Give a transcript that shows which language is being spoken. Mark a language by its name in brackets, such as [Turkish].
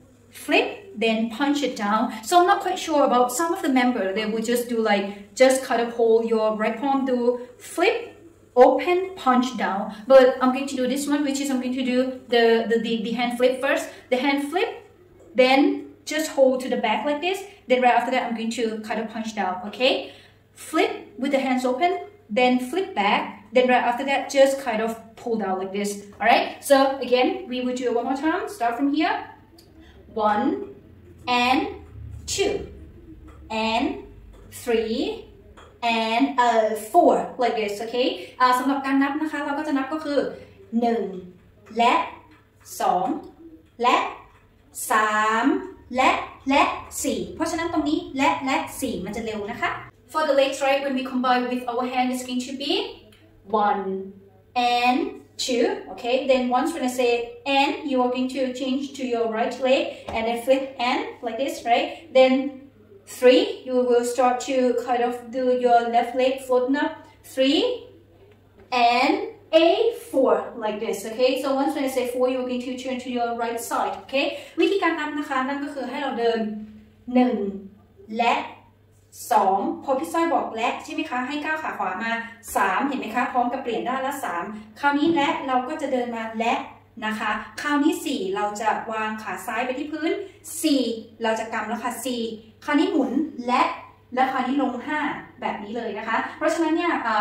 [English] flip then punch it down so I'm not quite sure about some of the member they will just do like just kind of hold your right palm do flip open punch down but I'm going to do this one which is I'm going to do the hand flip first the hand flip then just hold to the back like this then right after that I'm going to kind of punch down okay flip with the hands openThen flip back. Then right after that, just kind of pull down like this. All right. So again, we will do it one more time. Start from here. One and two and three and four like this. Okay. [Thai] สำหรับการนับนะคะเราก็จะนับก็คือ1และ2และ3และ4เพราะฉะนั้นตรงนี้และ4มันจะเร็วนะคะ [English] For the legs, right, when we combine with our hand, it's going to be 1 and 2, okay? Then once when I say and, you are going to change to your right leg and then flip and like this, right? Then 3 you will start to kind of do your left leg foot now 3 and A 4 like this okay so once when I say 4 you're going to turn to your right side okay [Thai] วิธีการนับนะคะนั่นก็คือให้เราเดิน 1และ2พอพี่สร้อยบอกและใช่ไหมคะให้ก้าวขาขวามา3เห็นไหมคะพร้อมกับเปลี่ยนด้านละ3คราวนี้และเราก็จะเดินมาและนะคะคราวนี้4เราจะวางขาซ้ายไปที่พื้น4เราจะกำแล้วค่ะ4คราวนี้หมุนและคราวนี้ลง5แบบนี้เลยนะคะเพราะฉะนั้นเนี่ย